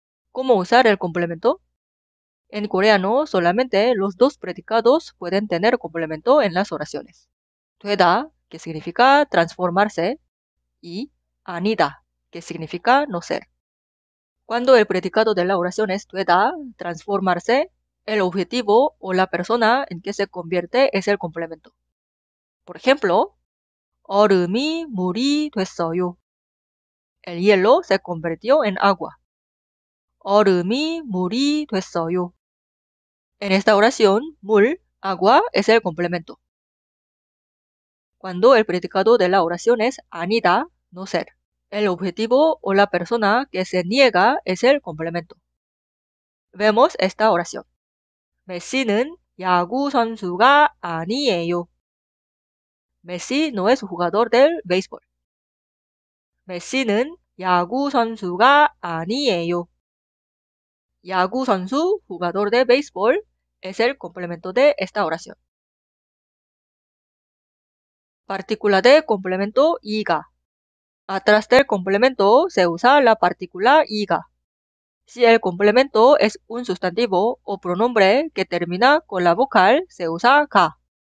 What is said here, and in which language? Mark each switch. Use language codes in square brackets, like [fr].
[es] ¿Cómo usar el complemento? En coreano, solamente los dos predicados pueden tener complemento en las oraciones. 되다, que significa transformarse, y 아니다, que significa no ser. Cuando el predicado de la oración es 되다, transformarse, el objetivo o la persona en que se convierte es el complemento. [ko] Por ejemplo, 얼음이 물이 됐어요. [es] El hielo se convirtió en agua. [ko] 얼음이 물이 됐어요. [es] En esta oración, 물, agua, es el complemento. Cuando el predicado de la oración es 아니다, no ser, el objetivo o la persona que se niega es el complemento. Vemos esta oración. [ko] 메시는 야구 선수가 아니에요. [es] Messi no es jugador del béisbol. [ko] Messi는 야구 선수가 아니에요. [es] 야구 선수, jugador de béisbol, es el complemento de esta oración. Partícula de complemento 이가. Atrás del complemento se usa la partícula 이가. Si el complemento es un sustantivo o pronombre que termina con la vocal, se usa 가.